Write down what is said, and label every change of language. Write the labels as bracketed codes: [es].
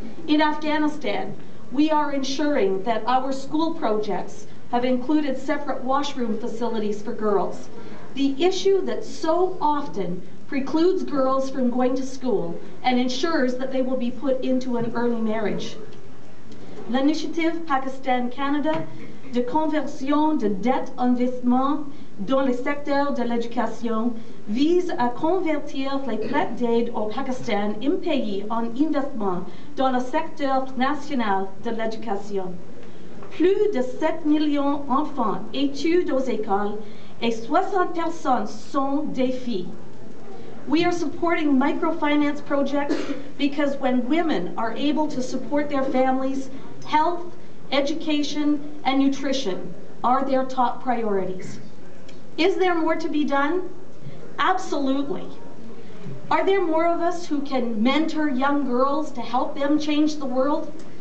[en] In Afghanistan, we are ensuring that our school projects have included separate washroom facilities for girls. The issue that so often precludes girls from going to school and ensures that they will be put into an early marriage. [fr] L'initiative Pakistan-Canada de conversion de dette investissement dans le secteur de l'éducation vise à convertir les prêts d'aide au Pakistan impayés en investissement dans le secteur national de l'éducation. Plus de 7 millions d'enfants étudent aux écoles et 60 personnes sont des filles. [en] We are supporting microfinance projects because when women are able to support their families, health, education, and nutrition are their top priorities. Is there more to be done? Absolutely. Are there more of us who can mentor young girls to help them change the world?